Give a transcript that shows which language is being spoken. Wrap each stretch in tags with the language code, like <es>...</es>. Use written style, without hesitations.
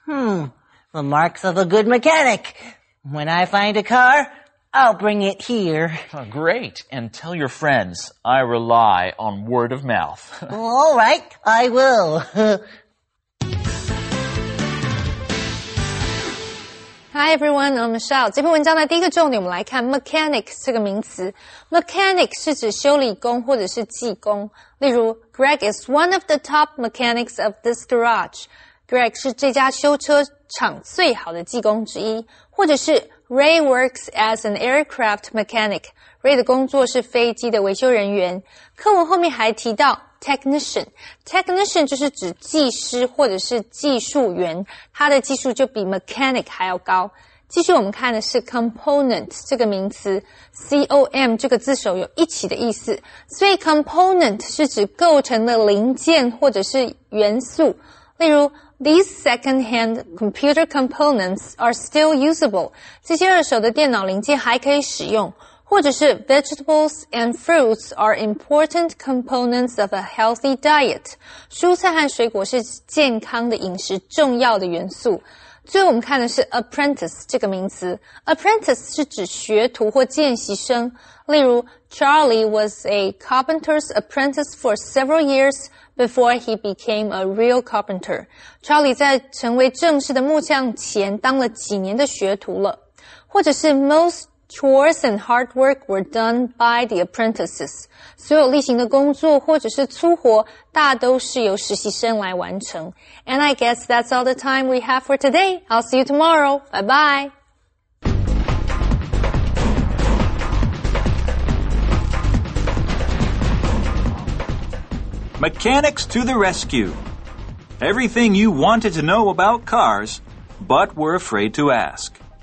<en>The marks of a good mechanic. When I find a car, I'll bring it here. Great. And tell your friends I rely on word of mouth. All right. I will. Hi everyone, I'm Michelle.</en> <zh>这篇文章的第一个重点我们来看 mechanic 这个名词。 Mechanic 是指修理工或者是技工。例如</zh> <en>,Greg is one of the top mechanics of this garage.</en> <zh>Greg 是这家修车厂最好的技工之一。或者是</zh> <en>Ray works as an aircraft mechanic.</en> <zh>Ray 的工作是飞机的维修人员。课文后面还提到Technician. Technician 就是指技师或者是技术员，他的技术就比 mechanic 还要高。继续我们看的是 component 这个名词， C-O-M 这个字首有一起的意思，所以 component 是指构成的零件或者是元素。例如</zh> <en>These second-hand computer components are still usable.</en> <zh>这些二手的电脑零件还可以使用。或者是</zh> <en>vegetables and fruits are important components of a healthy diet.</en> <zh>蔬菜和水果是健康的饮食重要的元素。最后我们看的是 apprentice 这个名词。Apprentice 是指学徒或见习生。例如</zh> <en>Charlie was a carpenter's apprentice for several years before he became a real carpenter.</en> <zh>Charlie 在成为正式的木匠前当了几年的学徒了。或者是</zh> <en>most Chores and hard work were done by the apprentices.</en> <zh>所有例行的工作或者是粗活大都是由实习生来完成。</zh> <en>And I guess that's all the time we have for today. I'll see you tomorrow. Bye-bye. Mechanics to the rescue. Everything you wanted to know about cars, but were afraid to ask.</en>